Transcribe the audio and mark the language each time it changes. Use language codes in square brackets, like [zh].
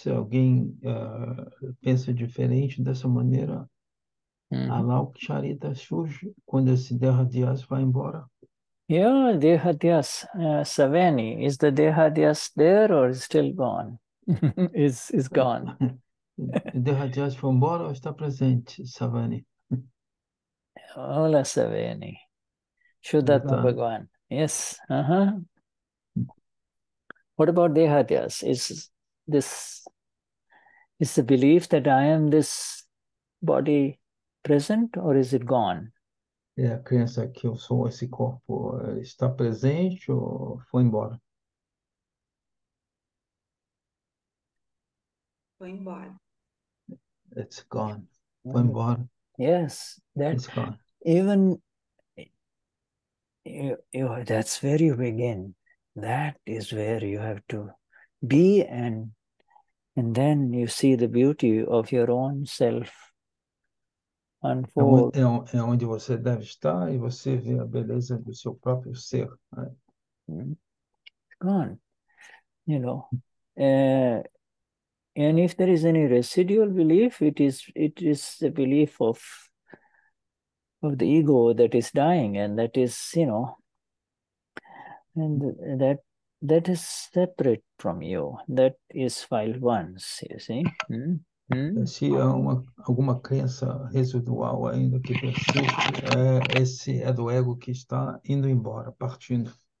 [pt] Se alguém pensa diferente dessa maneira, Alok Charita surge quando esse Dehadias vai embora. [en] Yeah, Dehadias, Saveni, is the Dehadias there or is still gone? is gone. [pt] Dehadias foi embora ou está presente, Saveni? [en] Hola, Saveni. Shuddhatma Bhagwan. Yes. What about Dehadias? Is the belief that I am this body present or is it gone? [pt] É a crença que eu sou esse corpo está presente ou foi embora? Foi embora. [en] It's gone. [pt] Foi embora. [en] Yes, it's gone. Even you, that's where you begin. That is where you have to be, and then you see the beauty of your own self. [pt] É onde você deve estar e você vê a beleza do seu próprio ser. [en] It's gone, you know. And if there is any residual belief, it is a belief of the ego that is dying, and that is, you know, and that is separate from you. That is filed once, you see. [pt] Se há alguma crença residual ainda que persiste, esse é do ego que está indo embora, partindo.